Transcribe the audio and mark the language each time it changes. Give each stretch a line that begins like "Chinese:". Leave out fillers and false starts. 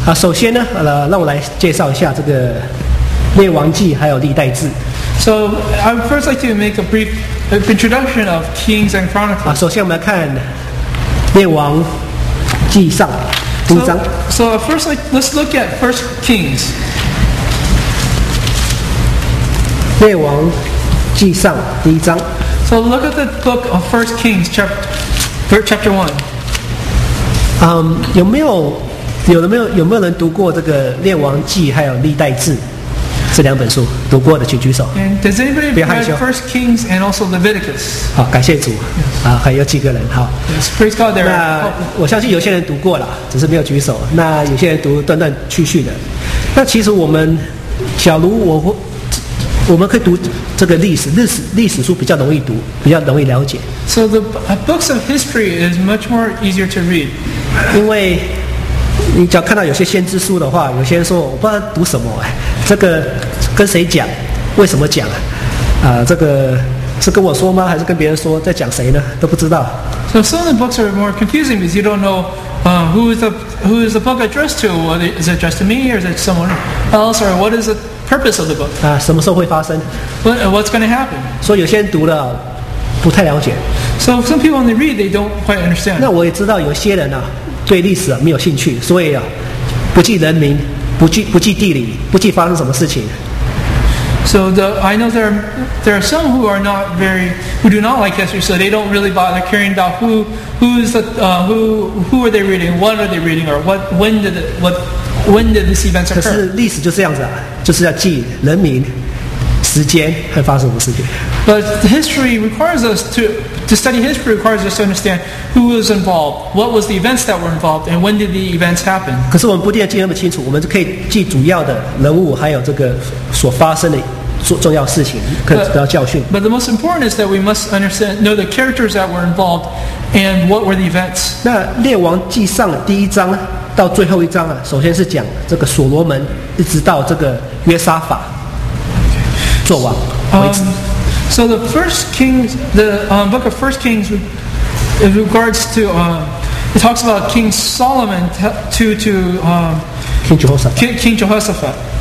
Chinese: 首先呢让我来介绍一下这个列王记还有历代志。
English: So I would first like to make a brief introduction of Kings and Chronicles.
Chinese: 首先我们来看列王记上第一章。
English: So first, let's look at First Kings.
Chinese: 列王记上第一章。
English: So look at the book of First Kings, chapter one.
Chinese: 有没有人读过这个列王记还有历代志这两本书？读过的请举手。
English: And does anybody read First Kings and also Leviticus?
Chinese: 好，感谢主。
English: Yes.
Chinese: 还有几个人。好。
English: Yes, praise God. There.
Chinese: 那我相信有些人读过了，只是没有举手。那有些人读断断续续的。那其实我们，假如我们可以读这个历史书比较容易读，比较容易了解。
English: So the books of history is much more easier to read.
Chinese: 因为你只要看到有些先知书的话，有些人说我不知道读什么，这个跟谁讲，为什么讲这个是跟我说吗，还是跟别人说，在讲谁呢，都不知道。
English: So some of the books are more confusing because you don't know who is the book addressed to. What is it addressed to, me or is it someone else, or what is the purpose of the book?
Chinese: 什么时候会发生？
English: What's going to happen?
Chinese: 所以有些人读了不太了解。
English: So some people when they read they don't quite understand.
Chinese: 那我也知道有些人对历史没有兴趣，所以不记人名，不记地理，不记发生什么事情。
English: So I know there are some who are not very who do not like history, so they don't really bother caring about who are they reading, what are they reading, or when did this events occur?
Chinese: 可是历史就是这样子就是要记人名、时间和发生什么事情。
English: But history requires us to study history requires us to understand who was involved, what was the events that were involved, and when did the events happen.
Chinese: 可是我们不一定要记那么清楚，我们就可以记主要的人物，还有这个所发生的重要事情，可以得到教训。
English: But the most important is that we must understand, know the characters that were involved, and what were the events.
Chinese: 那列王记上第一章到最后一章首先是讲这个所罗门，一直到这个约沙法作王为止。
English: So the first Kings, the book of First Kings, in regards to, it talks about King Solomon to King Jehoshaphat.